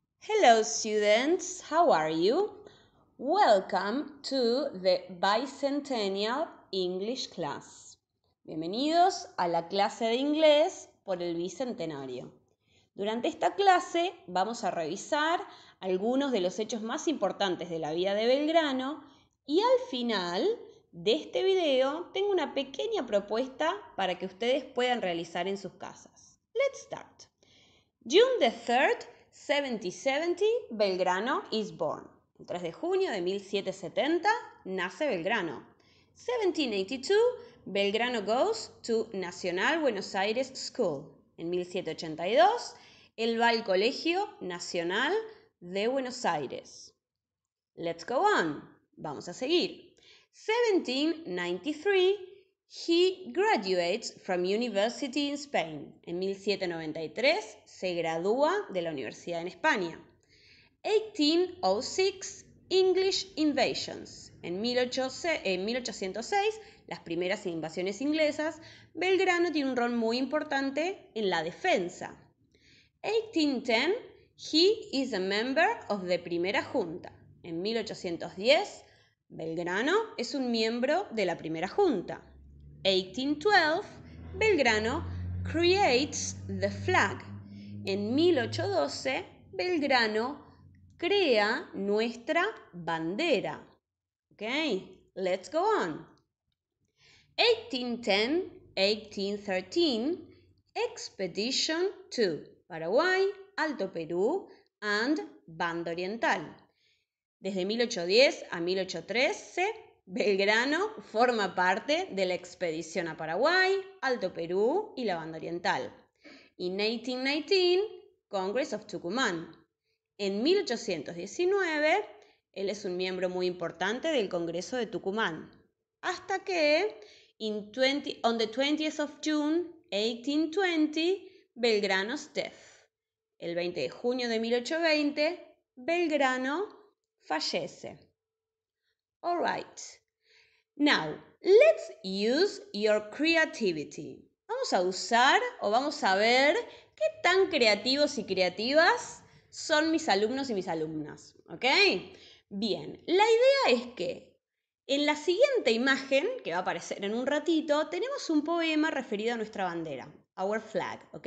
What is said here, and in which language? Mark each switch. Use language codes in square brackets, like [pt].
[en] Hello students, how are you? Welcome to the Bicentennial English class. [es] Bienvenidos a la clase de inglés por el Bicentenario. Durante esta clase vamos a revisar algunos de los hechos más importantes de la vida de Belgrano y al final de este video tengo una pequeña propuesta para que ustedes puedan realizar en sus casas. [en] Let's start. June the 3rd, 1770, Belgrano is born. [es] El 3 de junio de 1770, nace Belgrano. [en] 1782, Belgrano goes to Nacional Buenos Aires School. [es] En 1782, él va al Colegio Nacional de Buenos Aires. [en] Let's go on. [es] Vamos a seguir. [en] 1793, he graduates from university in Spain. [es] En 1793, se gradúa de la universidad en España. [en] 1806, English invasions. [es] En 1806, las primeras invasiones inglesas, Belgrano tiene un rol muy importante en la defensa. [en] 1810, he is a member of the primera junta. [es] En 1810, Belgrano es un miembro de la primera junta. [en] 1812, Belgrano creates the flag. [es] En 1812, Belgrano crea nuestra bandera. [en] Okay, let's go on. 1810, 1813, expedition to Paraguay, Alto Perú and Banda Oriental. [es] Desde 1810 a 1813, Belgrano forma parte de la expedición a Paraguay, Alto Perú y la Banda Oriental. [en] In 1819, Congress of Tucumán. [es] En 1819, él es un miembro muy importante del Congreso de Tucumán. Hasta que, [en] on the 20th of June, 1820, Belgrano's death. [es] El 20 de junio de 1820, Belgrano fallece. [en] All right. Now, let's use your creativity. [es] Vamos a usar o vamos a ver qué tan creativos y creativas son mis alumnos y mis alumnas, ¿ok? Bien, la idea es que en la siguiente imagen, que va a aparecer en un ratito, tenemos un poema referido a nuestra bandera, [en] our flag, [es] ¿ok?